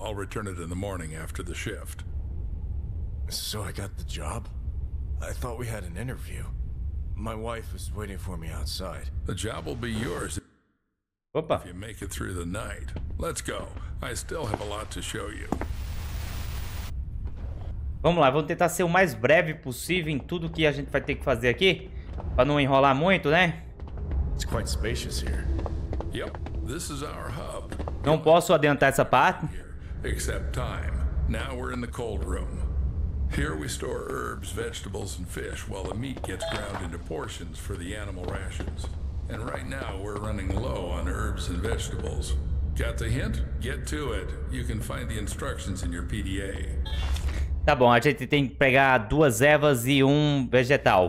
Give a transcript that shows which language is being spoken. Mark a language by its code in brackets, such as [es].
[en] I'll return it in the morning after the shift. So I got the job? I thought we had an interview. My wife is waiting for me outside. The job will be yours. Opa. If you make it through the night, let's go. I still have a lot to show you. [pt] Vamos lá, vamos tentar ser o mais breve possível em tudo que a gente vai ter que fazer aqui, para não enrolar muito, né? [en] It's quite spacious here. Yep. This is our hub. [pt] Não posso adiantar essa parte. [en] Except time. Now we're in the cold room. Here we store herbs, vegetables and fish while the meat gets ground into portions for the animal rations. And right now we're running low on herbs and vegetables. Got the hint? Get to it. You can find the instructions in your PDA. [pt] Tá bom, a gente tem que pegar duas ervas e um vegetal.